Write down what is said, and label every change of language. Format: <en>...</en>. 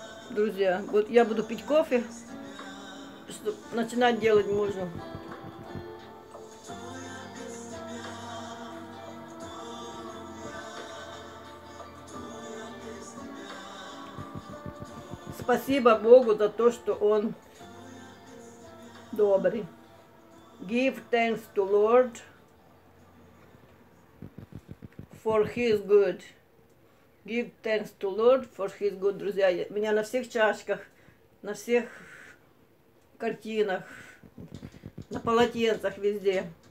<ru>Друзья, вот я буду пить кофе, чтобы начинать делать можно. Спасибо Богу за то, что Он добрый.</ru> <en>Give thanks to Lord for His good.</en> <ru>Give thanks to Lord for His good, друзья. У меня на всех чашках, на всех картинах, на полотенцах везде.</ru>